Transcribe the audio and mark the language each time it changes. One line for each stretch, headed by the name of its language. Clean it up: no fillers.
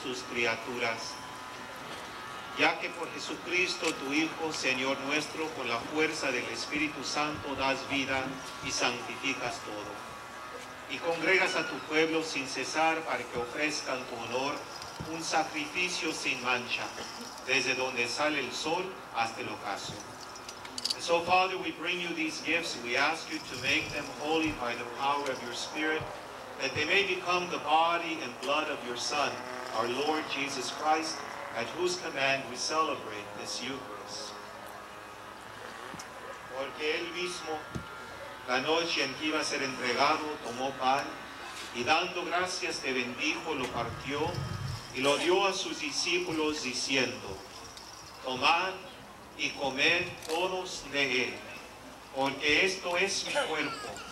Spanish: Criaturas, ya que por Jesucristo tu Hijo, Señor nuestro, con la fuerza del Espíritu Santo das vida y santificas todo, y congregas a tu pueblo sin cesar para que ofrezcan tu honor un sacrificio sin mancha, desde donde sale el sol hasta el ocaso.
English: And so, Father, we bring you these gifts, we ask you to make them holy by the power of your Spirit, that they may become the body and blood of your Son, our Lord Jesus Christ, at whose command we celebrate this Eucharist.
Spanish: Porque él mismo, la noche en que iba a ser entregado, tomó pan, y dando gracias te bendijo, lo partió, y lo dio a sus discípulos, diciendo, tomad y comed todos de él, porque esto es mi cuerpo,